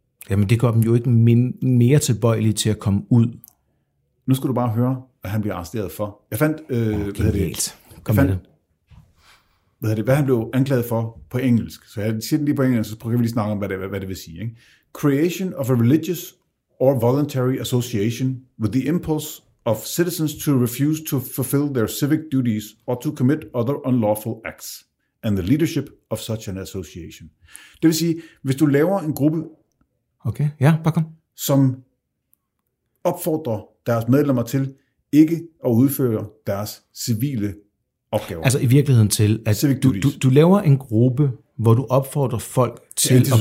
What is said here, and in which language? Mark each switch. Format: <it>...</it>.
<da>Jamen, det gør dem jo ikke mere tilbøjelige til at komme ud. Nu skal du bare høre, hvad han bliver arresteret for. Jeg fandt, hvad han blev anklaget for på engelsk. Så jeg siger den lige på engelsk, så prøver vi lige snakke om, hvad det vil sige. Ikke?</da> <en>Creation of a religious or voluntary association with the impulse of citizens to refuse to fulfill their civic duties or to commit other unlawful acts and the leadership of such an association.</en> <da>Det vil sige, hvis du laver en gruppe, okay. Ja, bare kom. Som opfordrer deres medlemmer til ikke at udføre deres civile opgaver. Altså i virkeligheden til, at du laver en gruppe, hvor du opfordrer folk til</da>